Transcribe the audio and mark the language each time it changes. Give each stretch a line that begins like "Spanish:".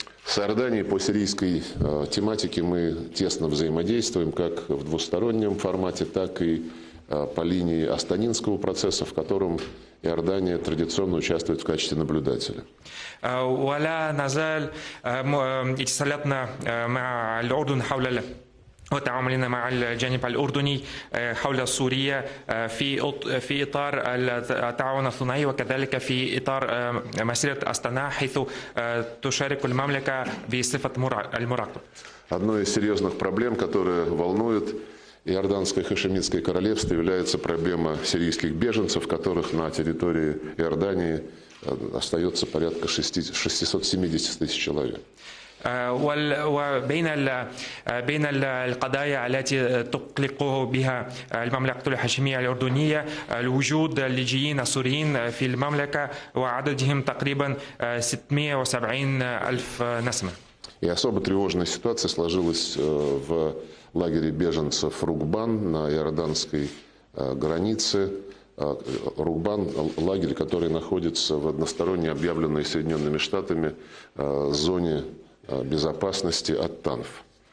Russian: С Иорданией по сирийской тематике мы тесно взаимодействуем как в двустороннем формате, так и по линии Астанинского процесса, в котором Иордания традиционно участвует в качестве наблюдателя.
Arabic: ولا نزال اتصالاتنا مع الأردن حول وتعاملنا مع الجانب الأردني حول سوريا في إطار التعاون الثنائي وكذلك في إطار مسيرة أستانا حيث تشارك المملكة بصفة المراقب.
Russian: Одна из серьезных проблем, которая волнует Иорданское Хашимитское королевство, является проблема сирийских беженцев, которых на территории Иордании остается порядка 670 тысяч человек.
Arabic: وبين القضايا التي تقلق بها المملكة الهاشمية الأردنية الوجود اللاجئين السوريين في المملكة وعددهم تقريبا 670 ألف نسمة.
Russian: И особо тревожная ситуация сложилась в лагере беженцев Рукбан на иорданской границе. Рукбан – лагерь, который находится в односторонне объявленной Соединенными Штатами зоне безопасности от танф.